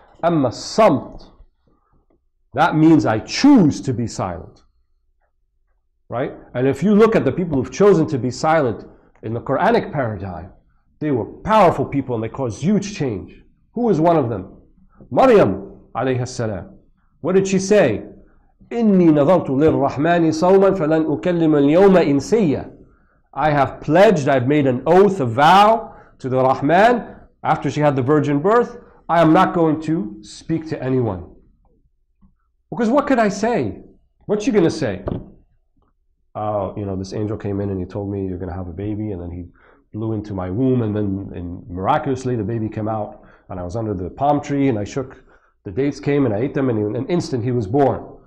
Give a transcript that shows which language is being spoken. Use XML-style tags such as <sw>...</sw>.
<en>Amma samt. That means I choose to be silent. Right? And if you look at the people who've chosen to be silent in the Quranic paradigm, they were powerful people and they caused huge change. Who is one of them? Maryam alayhi salam. What did she say?</en> <ar>إني نظرت للرحمن صوما فلن أكلم اليوم إنسيا.</ar> <en>I have pledged, I've made an oath, a vow to the Rahman after she had the virgin birth. I am not going to speak to anyone. Because what could I say? What's she going to say? oh, you know, this angel came in and he told me you're going to have a baby, and then he blew into my womb, and then and miraculously the baby came out, and I was under the palm tree, and I shook, the dates came, and I ate them, and in an instant he was born.</en>